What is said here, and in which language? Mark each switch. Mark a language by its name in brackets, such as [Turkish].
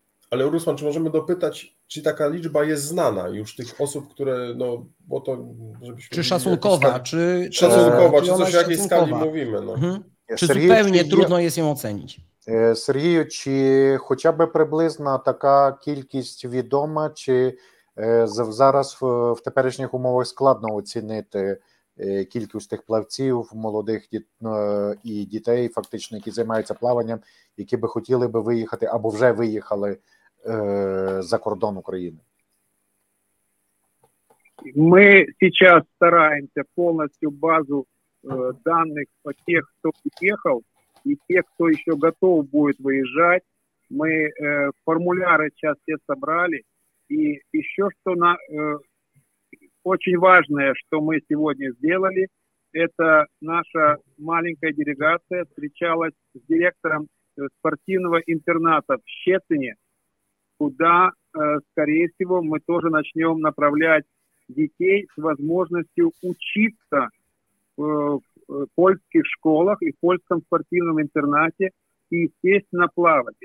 [Polish] Ale Rusłan, czy możemy dopytać, czy taka liczba jest znana już tych osób, które, no bo to żebyśmy... Czy szacunkowa, czy... Szacunkowa, czy coś o jakiej skali mówimy, no. Czy Sergiju, zupełnie czy trudno jest ją ocenić? Sergiju, czy chociażby przybliżna taka kilkość wiadoma, czy... [Ukrainian] Зараз в теперішніх умовах складно оцінити кількість тих плавців, молодих і дітей, фактично, які займаються плаванням, які би хотіли би виїхати або вже виїхали за кордон України. Ми зараз стараємося повністю базу даних по тих, хто виїхав, і тих, хто ще готовий буде виїжджати. Ми формуляри зараз всі зібрали. [Russian] И еще что на очень важное, что мы сегодня сделали, это наша маленькая делегация встречалась с директором спортивного интерната в Щецине, куда, скорее всего, мы тоже начнем направлять детей с возможностью учиться в польских школах и в польском спортивном интернате и сесть на плавать.